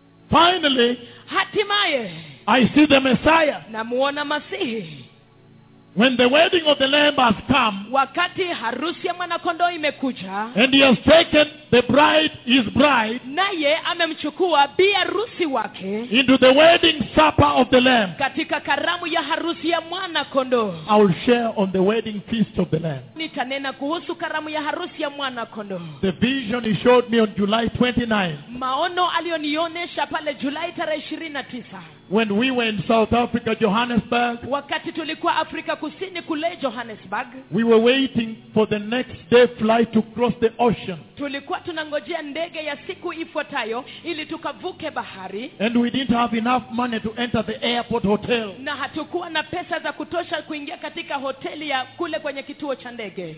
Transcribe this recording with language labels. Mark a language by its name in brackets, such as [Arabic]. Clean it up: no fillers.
[English] Finally, [Swahili] hatimaye, [English] I see the Messiah. [Swahili] Namuona Masihi. [English] When the wedding of the Lamb has come, [Swahili] wakati harusi ya mwanakondoo imekuja, [English] and he has taken the bride, his bride, [Swahili] naye amemchukua bi harusi wake, [English] into the wedding supper of the Lamb, [Swahili] katika karamu ya harusi ya mwanakondoo. [English] I will share on the wedding feast of the Lamb. [Swahili] Nitanena kuhusu karamu ya harusi ya mwanakondoo. [English] The vision he showed me on July 29. [Swahili] Maono alionionyesha pale July 29. [English] When we were in South Africa, Johannesburg, [Swahili] wakati tulikuwa Afrika Kusini kule Johannesburg, [English] we were waiting for the next day flight to cross the ocean. [Swahili] Tulikuwa tunangojea ndege ya siku ifuatayo ili tukavuke bahari. [English] And we didn't have enough money to enter the airport hotel. [Swahili] Na hatukuwa na pesa za kutosha kuingia katika hoteli ya kule kwenye kituo cha ndege.